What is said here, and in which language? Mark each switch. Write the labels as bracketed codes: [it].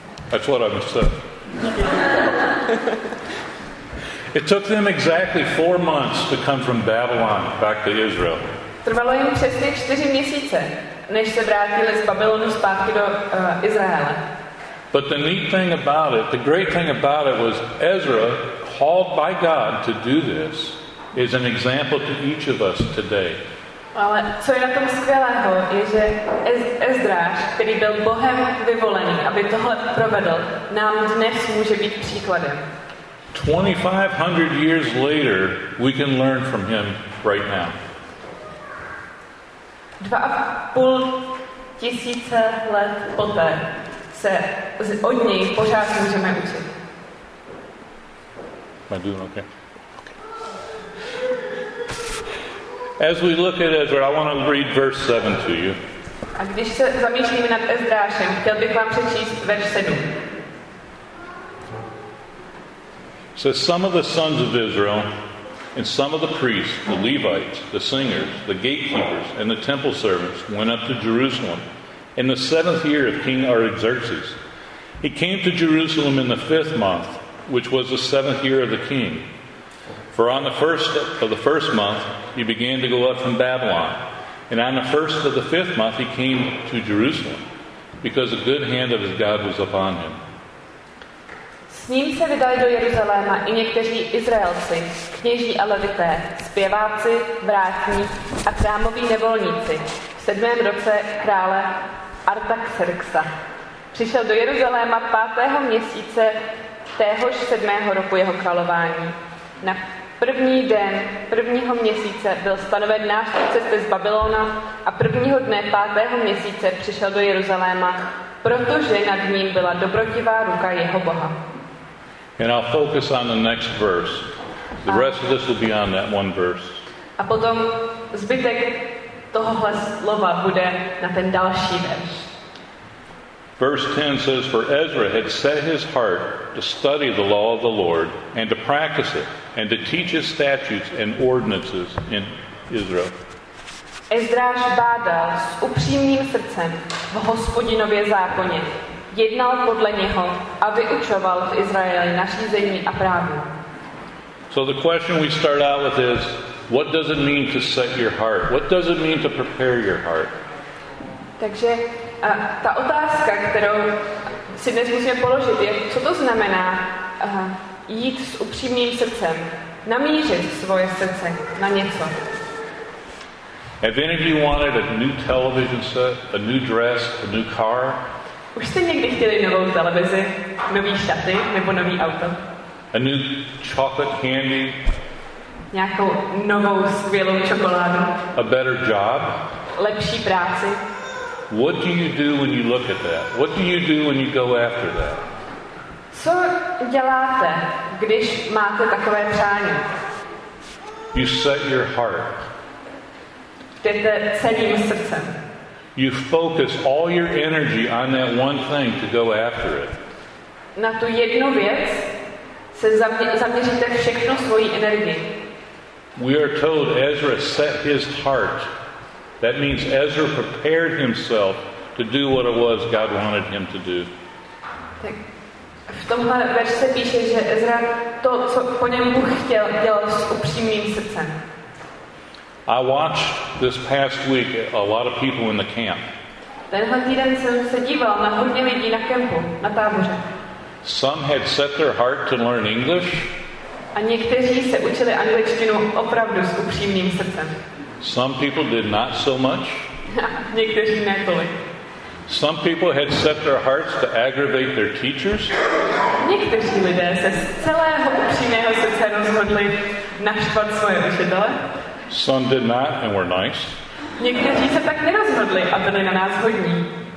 [en] That's what I'm saying. It took them exactly 4 months to come from Babylon back to Israel. [cs] Trvalo jim přesně 4 měsíce, než se vrátili z Babylonu zpátky do Izraele. [en] But the neat thing about it, the great thing about it was Ezra, called by God to do this, is an example to each of us today. [cs] Ale co je na tom skvělého, je, že Ezdráš, který byl Bohem vyvolený, aby tohle provedl, nám dnes může být příkladem. [en] 2500 years later, we can learn from him right now. [cs] 2500 let poté se od něj pořád můžeme učit. [en] Am I doing okay? As we look at Ezra, I want to read verse 7 to you. [cs] A když se zamýšlíme nad Ezrášem, chtěl bych vám přečíst verš 7. [en] So some of the sons of Israel and some of the priests, the Levites, the singers, the gatekeepers, and the temple servants went up to Jerusalem in the seventh year of King Artaxerxes. He came to Jerusalem in the fifth month, which was the seventh year of the king. For on the first of the first month, he began to go up from Babylon. And on the first of the fifth month, he came to Jerusalem, because the good hand of his God was upon him. [cs] S ním se vydali do Jeruzaléma i někteří Izraelci, kněží a levité, zpěváci, vrátní a chrámoví nevolníci v 7. roce krále Artaxerxa. Přišel do Jeruzaléma 5. měsíce téhož 7. roku jeho králování. Na první den 1. měsíce byl stanoven nástupce z Babylona a 1. dne 5. měsíce přišel do Jeruzaléma, protože nad ním byla dobrotivá ruka jeho Boha. [en] And I'll focus on the next verse. The rest of this will be on that one verse. [cs] A potom zbytek tohohle slova bude na ten další verš. [en] Verse 10 says, for Ezra had set his heart to study the law of the Lord and to practice it and to teach his statutes and ordinances in Israel. [cs] Ezráš bádal s upřímným srdcem v Hospodinově zákoně, jednal podle něho a vyučoval v Izraeli nařízení a právo. [en] So the question we start out with is, what does it mean to set your heart? What does it mean to prepare your heart? [cs] Takže ta otázka, kterou si dnes musíme položit, je, co to znamená jít s upřímným srdcem, namířit svoje srdce na něco. [en] Have any of you wanted a new television set, a new dress, a new car? [cs] Už jste někdy chtěli novou televizi, nový šaty nebo nový auto? [en] A new chocolate candy? [cs] Nějakou novou skvělou čokoládu? [en] A better job? [cs] Lepší práci? [en] What do you do when you look at that? What do you do when you go after that? [cs] Co děláte, když máte takové přání? [en] You set your heart. [cs] Jdete celým srdcem. [en] You focus all your energy on that one thing to go after it. [cs] Na tu jednu věc se zaměříte všechno svoji energii. [en] We are told Ezra set his heart. That means Ezra prepared himself to do what it was God wanted him to do. [cs] Tak v tomhle verši se píše, že Ezra to, co po něm Bůh chtěl, dělal s upřímným srdcem. [en] I watched this past week a lot of people in the camp. [cs] Tenhle týden jsem se díval na hodně lidí na kempu, na táboře. [en] Some had set their heart to learn English. [cs] A někteří se učili angličtinu opravdu s upřímným srdcem. [en] Some people did not so much. [cs] Někteří ne tolik. [en] Some people had set their hearts to aggravate their teachers. [cs] Někteří lidé se z celého upřímného srdce rozhodli naštvat svoje učitele. [en] Some did not and were nice. [cs] Někteří se tak nerozhodli a byli na nás hodní.